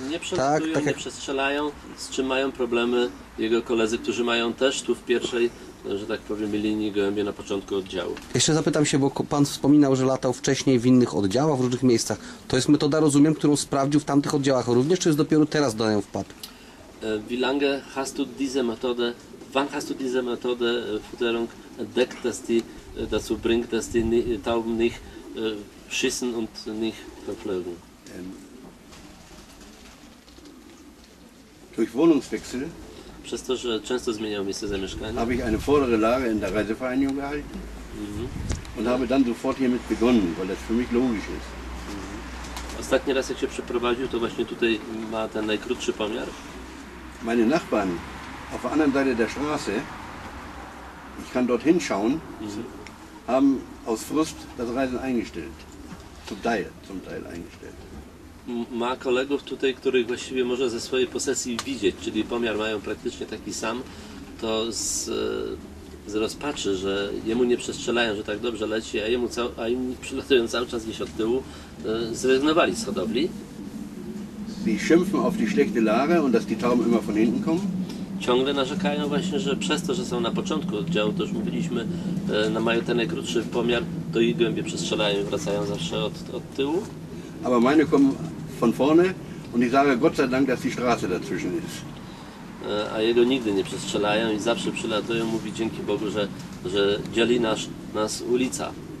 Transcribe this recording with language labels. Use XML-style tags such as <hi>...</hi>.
<pl>Nie przelatują, tak, nie przestrzelają, z czym mają problemy jego koledzy, którzy mają też tu w pierwszej, że tak powiem, linii gołębie na początku oddziału. Jeszcze zapytam się, bo pan wspominał, że latał wcześniej w innych oddziałach, w różnych miejscach. To jest metoda, rozumiem, którą sprawdził w tamtych oddziałach również, czy jest dopiero teraz do niej wpadł?</pl> <de>Wie lange hast du diese Methode, wann hast du diese Methode Fütterung entdeckt, dass die dazu bringt, dass die Tauben nicht schießen und nicht verflogen? Durch Wohnungswechsel.</de> <pl>Przez to, że często zmieniał miejsce zamieszkania.</pl> <de>Habe ich eine vordere Lage in der Reisevereinigung gehalten. Mhm. Und habe dann sofort hiermit begonnen, weil das für mich logisch ist. Mhm.</de> <pl>Ostatni raz, jak się przeprowadził, to właśnie tutaj ma ten najkrótszy pomiar.</pl> <de>Meine Nachbarn auf der anderen Seite der Straße, ich kann dort hinschauen, haben aus Frust das Reisen eingestellt. Zum Teil eingestellt.</de> <pl>Ma kolegów tutaj, których właściwie może ze swojej posesji widzieć, czyli pomiar mają praktycznie taki sam, to z rozpaczy, że jemu nie przestrzelają, że tak dobrze leci, a im przylatują cały czas gdzieś od tyłu, zrezygnowali z hodowli.</pl> <de>Sie schimpfen auf die schlechte Lage und dass die Tauben immer von hinten kommen.</de> <pl>Ciągle narzekają właśnie, że przez to, że są na początku oddziału, to już mówiliśmy, na mają ten najkrótszy pomiar, to ich gołębie przestrzelają i wracają zawsze od tyłu.</pl> <de>Aber meine kommen von vorne und ich sage Gott sei Dank, dass die Straße dazwischen ist.</de> <pl>A jego nigdy nie przestrzelają i zawsze przylatują, mówi dzięki Bogu, że dzieli nas ulica.</pl>